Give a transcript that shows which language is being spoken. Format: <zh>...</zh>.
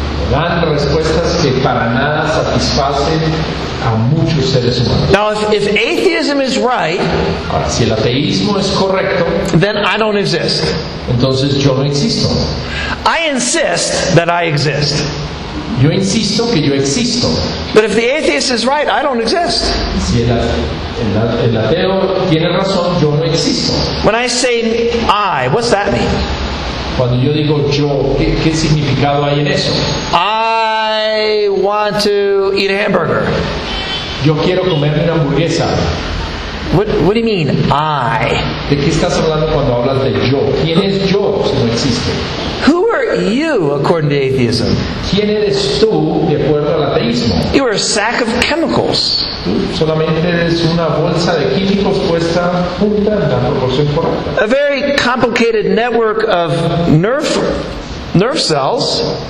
<es>Dan respuestas que para nada satisfacen a muchos seres humanos.</es> <en>Now, if atheism is right,</en> <es>ahora, si el ateísmo es correcto,</es> <en>then I don't exist.</en> <es>Entonces yo no existo.</es> <en>I insist that I exist.</en> <es>Yo insisto que yo existo.</es> <en>But if the atheist is right, I don't exist.</en> <es>Si el ateo tiene razón, yo no existo.</es> <en>When I say I, what's that mean?</en> <es>Cuando yo digo yo, ¿qué significado hay en eso?</es> <en>I want to eat a hamburger.</en> <es>Yo quiero comer una hamburguesa.</es> <en>What do you mean, I?</en> <es>¿De qué estás hablando cuando hablas de yo? ¿Quién es yo si no existe?</es> <en>Who are you, according to atheism?</en> <es>¿Quién eres tú, de acuerdo al ateísmo?</es> <en>You are a sack of chemicals.</en> <es>Tú solamente eres una bolsa de químicos puesta junta en la proporción correcta.</es> <en>A very complicated network of nerve cells.</en>